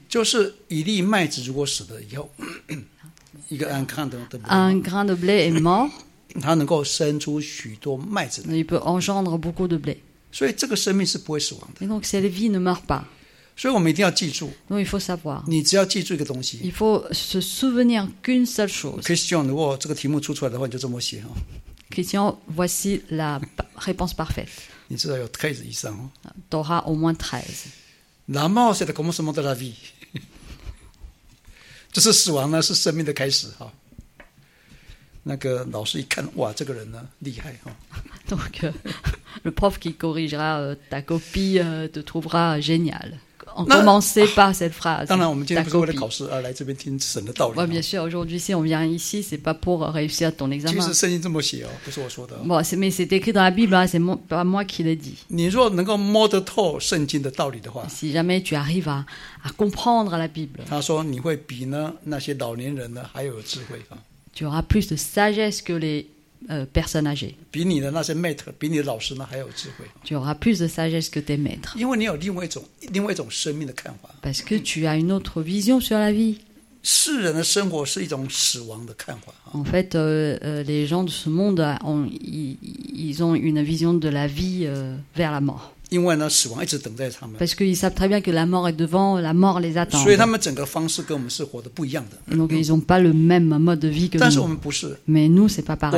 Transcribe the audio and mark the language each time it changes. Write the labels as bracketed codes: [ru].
[zh] 就是一粒麦子如果死了以后一个 [fr] un grain de blé est mort [zh] 它能够生出许多麦子 [fr] il peut engendre beaucoup de blé [zh] 所以这个生命是不会死亡的 [fr] et donc cette vie ne meurt pas [zh] 所以我们一定要记住 [fr] Donc, il faut savoir. [zh] 你只要记住一个东西 [fr] il faut se souvenir qu'une seule chose. [zh] Christian, 如果这个题目出出来的话你就这么写、哦、 [fr] Christian, voici la réponse parfaite. [zh] 你至少有13以上、哦、 [fr] Tu auras au moins 13. La mort, c'est le commencement de la vie. [zh] 就是死亡呢是生命的开始、哦、那个老师一看哇这个人呢厉害、哦、 [fr] Donc, le prof qui corrigera ta copie te trouvera génial. On commence par cette phrase. [zh] 当然，我们今天不是为了考试而来这边听神的道理。 [fr] Bien sûr, aujourd'hui, si on vient ici, c'est pas pour réussir ton examen. [zh] 其实圣经这么写哦，不是我说的。 [fr] Bon, mais c'est écrit dans la Bible, c'est pas moi qui l'ai dit. [zh] 你若能够摸得透圣经的道理的话 [fr] ，si jamais tu arrives à comprendre la Bible, [zh] 他说你会比呢那些老年人呢还有智慧啊。 [fr] Tu auras plus de sagesse que les personnes âgées. [zh] 比你的那些 maître, 比你的老师呢还有智慧。 [fr] Tu auras plus de sagesse que tes maîtres. [zh] 因为你有另外一种生命的看法。 [fr] Parce que tu as une autre vision sur la vie. [zh] 世人的生活是一种死亡的看法。 [fr] En fait, les gens de ce monde ont une vision de la vie vers la mort. [zh] 因为呢死亡一直等待他们。 [fr] Parce qu'ils savent très bien que la mort est devant, la mort les attend. [zh] 所以他们整个方式跟我们是活得不一样的。 [fr] Donc ils n'ont pas le même mode de vie que nous. [zh] 但是我们不是。 [fr] Mais nous, c'est pas pareil.